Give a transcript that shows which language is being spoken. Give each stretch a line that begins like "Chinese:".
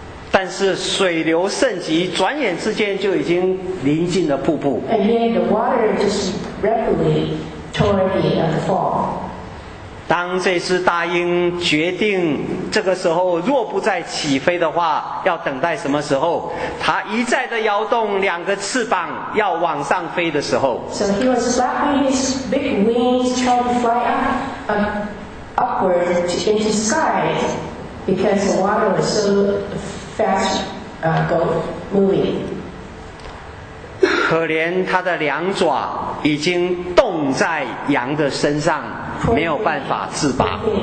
Chinese: 但是水流甚急，转眼之间就已经临近了瀑布。
English: And yet the water just rapidly toward the fall.
Chinese: 当这只大鹰决定这个时候若不再起飞的话，要等待什么时候？它一再的摇动两个翅膀要往上飞的时候。
English: So he was flapping his big wings trying to fly upward into the sky because the water was so fast moving.
Chinese: 可怜他的两爪已经冻在羊的身上，没有办法自拔。